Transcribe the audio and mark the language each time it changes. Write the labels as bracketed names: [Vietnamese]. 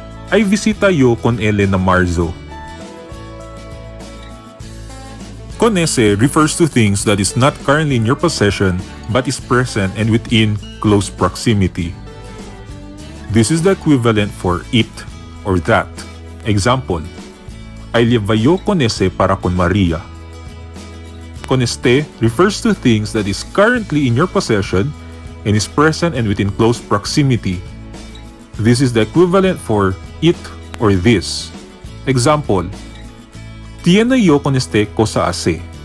[Chavacano] Ay visita yo con él na marzo. [English] Con ese refers to things that is not currently in your possession but is present and within close proximity. This is the equivalent for it or that. [Chavacano] Example, ay lleva yo con ese para con María. [English] Con este refers to things that is currently in your possession and is present and within close proximity. This is the equivalent for it or this. Example, [Chavacano] tiene yo con este cosa hace.